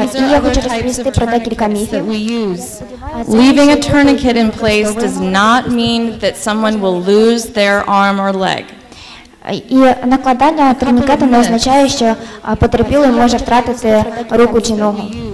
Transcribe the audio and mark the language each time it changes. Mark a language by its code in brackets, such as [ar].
[uk] Я хочу розповісти про декілька міфів. [en] Leaving a tourniquet in place does not mean that someone will lose their arm or leg. [uk] І накладання турнікету не означає, що потерпілий може втратити руку чи ногу.